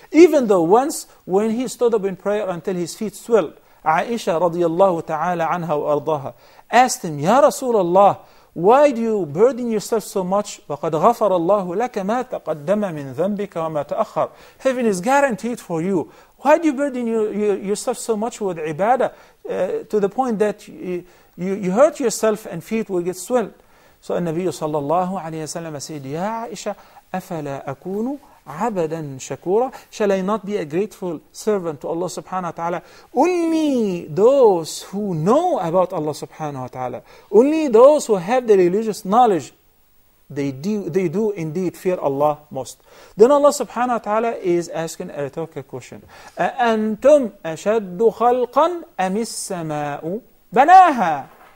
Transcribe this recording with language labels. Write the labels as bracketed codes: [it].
[en] Even though once when he stood up in prayer until his feet swelled, Aisha radiyallahu ta'ala anha wa ardaha asked him, Ya Rasulullah, why do you burden yourself so much? [ar] وَقَدْ غَفَرَ اللَّهُ لَكَ مَا تَقَدَّمَ مِنْ ذَنْبِكَ وَمَا تَأَخَّرَ. [en] Heaven is guaranteed for you. Why do you burden yourself so much with ibadah to the point that you hurt yourself and feet will get swelled? So [ar] النبي صلى الله عليه وسلم [en] said, [ar] Ya Aisha, أَفَلَا أَكُونُ عَبَدًا شَكُورًا. [en] Shall I not be a grateful servant to Allah subhanahu wa ta'ala? Only those who know about Allah subhanahu wa ta'ala, only those who have the religious knowledge, they do indeed fear Allah most. Then Allah subhanahu wa ta'ala is asking a rhetorical question. [ar] أَأَنْتُمْ أَشَدُّ خَلْقًا أَمِ السَّمَاءُ بَنَاهَا.